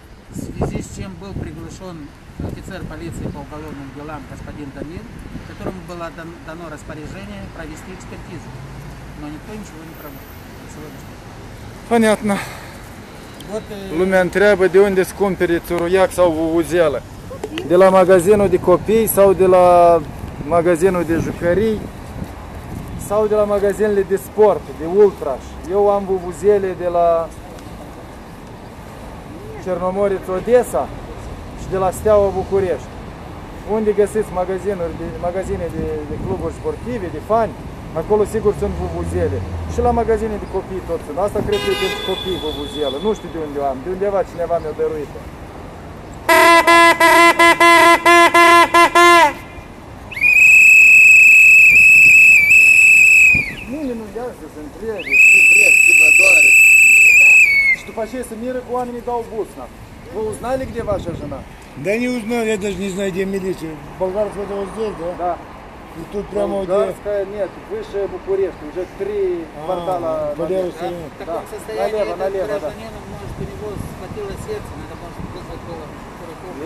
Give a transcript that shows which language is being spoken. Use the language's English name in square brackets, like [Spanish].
[Russian] В связи с чем был приглашен офицер полиции по уголовным делам господин Дамир, которому было дано распоряжение провести экспертизу. Но никто ничего не проводил. Понятно. [Romanian] Lumea întreabă de unde scumpere țuruiac sau vuvuzeală. De la magazinul de copii sau de la magazinul de jucării sau de la magazinele de sport, de ultraș. Eu am vuvuzele de la Cernomoriț Odessa și de la Steaua București. Unde găsiți magazinuri, magazine de cluburi sportive, de fani, acolo sigur sunt vuvuzele. Și la magazine de copii tot sunt. Asta cred că e pentru copii vuvuzele. Nu știu de unde am, de undeva cineva mi-a dăruit-o. Nimeni nu ia să se întrebe ce vreți, ce vă doare. Și după aceea se miră că oamenii dau busna. [Russian] Вы узнали, где ваша жена? Да не узнал, я даже не знаю, где милиция. Болгарская это вот здесь, да? Да. И тут прямо Болгарская, где... нет, выше Бухареста, уже три квартала. По левой стороне. В таком состоянии этот гражданин, может, у него схватило сердце, надо, может, вызвать прокуратуру.